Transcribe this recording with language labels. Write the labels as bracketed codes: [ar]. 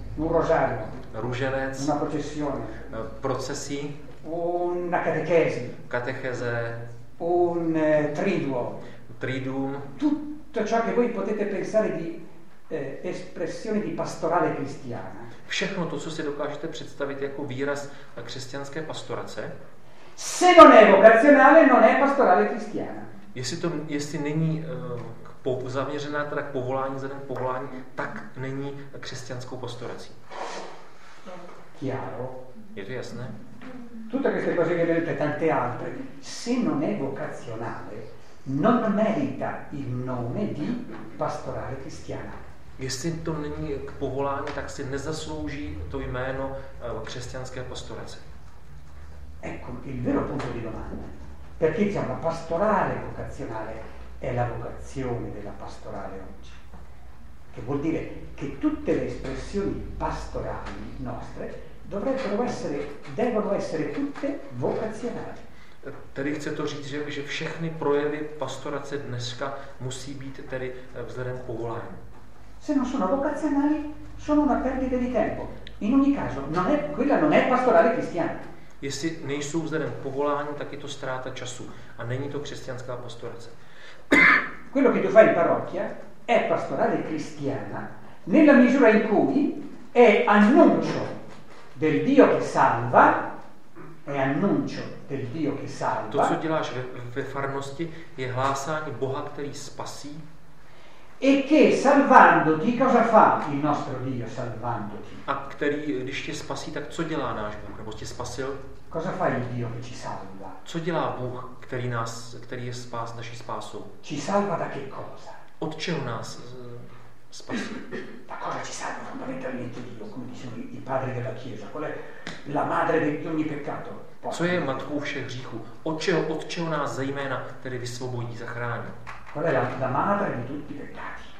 [it] Un rosario. [cs] Růženec. [it] Una processione. [cs] Procesí. [it] Una catechesi. [cs] Katecheze. [it] Un triduo. [cs] Triduum. [it] Tutto ciò che voi potete pensare di espressione di pastorale cristiana. [cs] Všechno to, co si dokážete představit jako výraz křesťanské pastorace. [it] Se non è vocazionale, non è pastorale cristiana. [cs] Jestli není zaměřená teda k povolání, zatím povolání, tak není křesťanskou pastorací. [it] Chiaro. [cs] Je to jasné? [it] Tutte queste cose che vedete, tante altre, se non è vocazionale, non merita il nome di pastorale cristiana. [cs] Jestli to není k povolání, tak si nezaslouží to jméno křesťanské pastorace. [it] Ecco, il vero punto di domanda. Perché diciamo, la pastorale vocazionale è la vocazione della pastorale oggi, che vuol dire che tutte le espressioni pastorali nostre devono essere tutte vocazionali. [cs] Tedy chce to říct, že všechny projevy pastorace dneska musí být tedy vzhledem povolání. [it] Se non sono vocazionali, sono una perdita di tempo. In ogni caso, non è pastorale cristiana. [cs] Jestli nejsou vzhledem povolání, tak je to ztráta času. A není to křesťanská pastorace. [it] Quello che tu fai in parrocchia è pastorale cristiana nella misura in cui è annuncio del Dio che salva. Je annuncio del Dio che salva. [cs] To, co děláš ve farnosti, je hlásání Boha, který spasí. [it] E che salvandoti, cosa fa il nostro Dio salvandoti? [cs] A který, když tě spasí, tak co dělá náš Bůh, nebo tě spasil? [it] Cosa fa il Dio che ci salva? [cs] Co dělá Bůh, který je spás naší spásou? [it] Ci salva da che cosa? [cs] Od čeho nás spasí? [it] Da cosa ci salva fondamentalmente Dio, come dicono i padri della Chiesa, qual è la madre di ogni peccato? [cs] Co je matkou všech hříchů? Od čeho nás zejména tedy vysvobodí, zachrání? [it] Qual è la madre di tutti i peccati?